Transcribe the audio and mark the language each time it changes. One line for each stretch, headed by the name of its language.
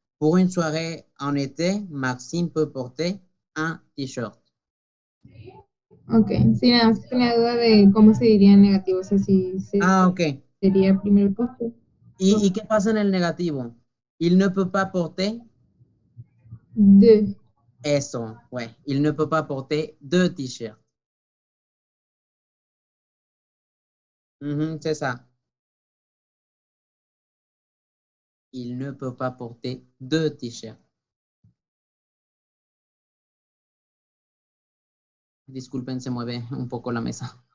French: Pour une soirée en été, Maxime peut porter un t-shirt.
Spanish: Ok, sí, nada más tenía duda de cómo se diría en negativo, o sea, si Ah, ok. sería primer punto. ¿Y qué pasa en el negativo?
French: Il ne peut pas porter. De.
Spanish: Eso, ouais.
French: Il ne peut pas porter deux t-shirts. C'est ça. Il ne peut pas porter deux t-shirts.
Spanish: Disculpen, se mueve un poco la mesa.